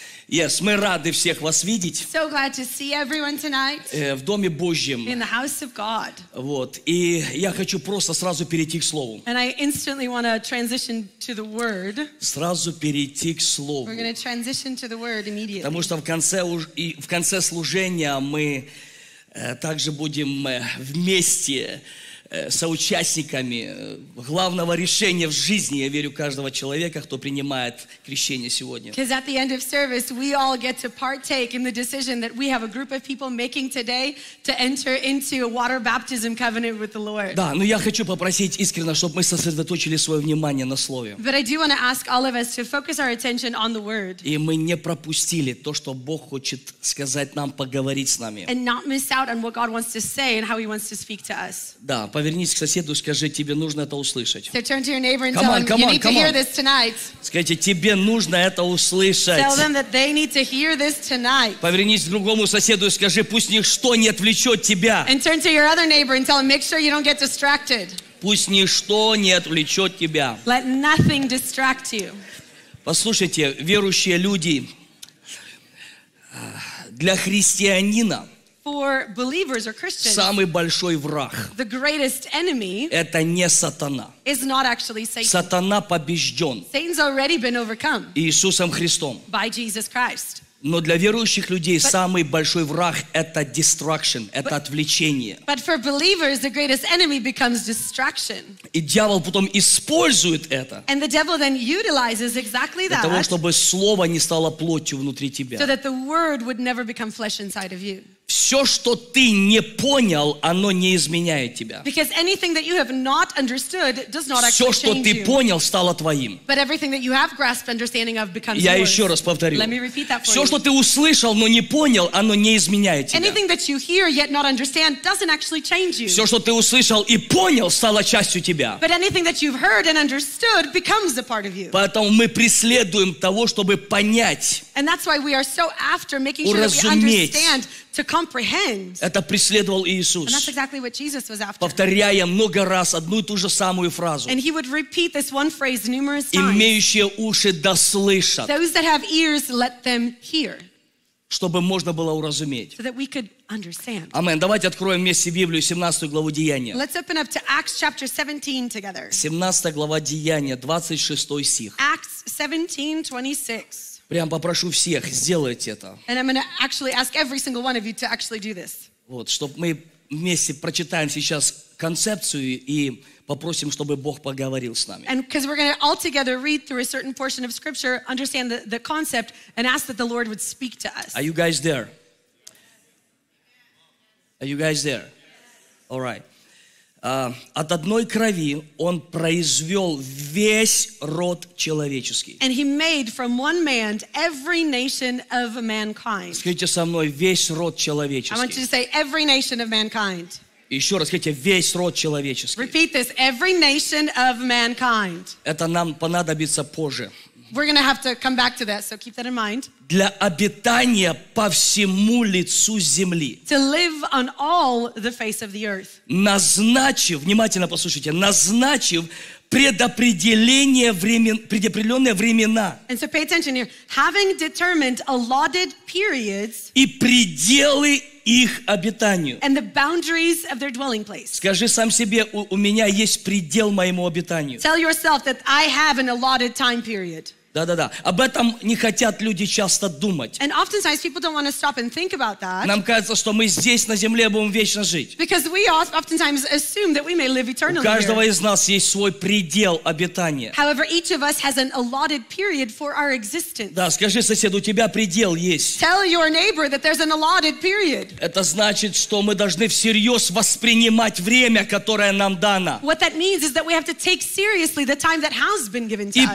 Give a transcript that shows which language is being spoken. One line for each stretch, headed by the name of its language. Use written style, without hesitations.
English: Yes,
Russian: мы рады всех вас видеть.
English: So glad to see everyone tonight.
Russian: В Доме Божьем.
English: In the house of God.
Russian: Вот. И я хочу просто сразу перейти к Слову.
English: And I instantly want to transition to the Word.
Russian: Сразу перейти к Слову.
English: We're going to transition to the Word immediately.
Russian: Потому что в конце служения мы также будем вместе соучастниками главного решения в жизни, я верю, каждого человека, кто принимает крещение сегодня.
English: Because at the end of service, we all get to partake in the decision that we have a group of people making today to enter into a water baptism covenant with the Lord.
Russian: Да, но я хочу попросить искренне, чтобы мы сосредоточили свое внимание на Слове.
English: But I do want to ask all of us to focus our attention on the Word.
Russian: И мы не пропустили то, что Бог хочет сказать нам, поговорить с нами.
English: And not miss out on what God wants to say and how He wants to speak to us.
Russian: Да. Повернись к соседу, скажи, тебе нужно это услышать.
English: So turn to your neighbor and tell them, come on, you need come to hear on. This tonight.
Russian: Скажите, тебе нужно это услышать.
English: Tell them that they need to hear this tonight.
Russian: Повернись к другому соседу и скажи, пусть ничто не отвлечет тебя.
English: And turn to your other neighbor and tell them, make sure you don't get distracted.
Russian: Пусть ничто не отвлечет тебя.
English: Let nothing distract you.
Russian: Послушайте, верующие люди, для христианина
English: for believers or Christians,
Russian: самый большой враг,
English: the greatest enemy,
Russian: это не сатана.
English: Is not actually Satan.
Russian: Сатана побежден.
English: Satan's already been overcome.
Russian: Иисусом Христом.
English: By Jesus Christ.
Russian: Но для верующих людей самый большой враг это distraction, это отвлечение.
English: But for believers, the greatest enemy becomes distraction.
Russian: И дьявол потом использует это.
English: And the devil then utilizes exactly that.
Russian: Для того, чтобы слово не стало плотью внутри тебя.
English: So that the word would never become flesh inside of you.
Russian: Все, что ты не понял, оно не изменяет тебя.
English: Because anything that you have not understood does not actually change you.
Russian: Все, что ты понял, стало твоим.
English: But everything that you have grasped understanding of becomes yours.
Russian: Я еще раз повторю.
English: Let me repeat that for you.
Russian: Все, что ты услышал, но не понял, оно не изменяет тебя.
English: Anything that you hear yet not understand doesn't actually change you.
Russian: Все, что ты услышал и понял, стало частью тебя.
English: But anything that you've heard and understood becomes a part of you.
Russian: Поэтому мы преследуем того, чтобы понять.
English: And that's why we are so after making sure that we understand to comprehend.
Russian: Это преследовал Иисус.
English: And that's exactly what Jesus was after.
Russian: Повторяя много раз одну и ту же самую фразу.
English: And he would repeat this one phrase numerous times.
Russian: Имеющие уши да слышат.
English: Those that have ears, let them hear.
Russian: Чтобы можно было уразуметь.
English: So that we could understand.
Russian: Амен. Давайте откроем вместе Библию, 17 главу Деяния.
English: Let's open up to Acts chapter 17 together.
Russian: 17 глава Деяния, 26 стих.
English: Acts 17, 26.
Russian: Прям попрошу всех сделать это.
English: And I'm going to actually ask every single one of you to actually do this.
Russian: Вот, чтобы мы вместе прочитаем сейчас концепцию и попросим, чтобы Бог поговорил с нами.
English: And because we're going to all together read through a certain portion of scripture, understand the concept, and ask that the Lord would speak to us. Are you guys there? Are you guys there? All right.
Russian: От одной крови он произвел весь род человеческий.
English: And he made from one man every nation of mankind.
Russian: Скажите со мной, весь род человеческий.
English: I want you to say every nation of mankind.
Russian: Еще раз скажите, весь род человеческий.
English: Repeat this, every nation of mankind.
Russian: Это нам понадобится позже.
English: We're going to have to come back to that, so keep that in mind.
Russian: Для обитания по всему лицу земли.
English: To live on all the face of the earth.
Russian: Назначив, внимательно послушайте, назначив предопределение времен, предопределенные времена.
English: And so pay attention here. Having determined allotted periods.
Russian: И пределы их обитанию.
English: And the boundaries of their dwelling place.
Russian: Скажи сам себе, у меня есть предел моему обитанию.
English: Tell yourself that I have an allotted time period.
Russian: Да-да-да. Об этом не хотят люди часто думать.
English: And oftentimes people don't want to stop and think about that.
Russian: Нам кажется, что мы здесь на земле будем вечно жить.
English: Because we oftentimes assume that we may live eternally.
Russian: У каждого из нас есть свой предел обитания.
English: However, each of us has an allotted period for our existence.
Russian: Да, скажи соседу, у тебя предел есть.
English: Tell your neighbor that there's an allotted period.
Russian: Это значит, что мы должны всерьез воспринимать время, которое нам дано.
English: What that means is that we have to take seriously the time that has been given to us.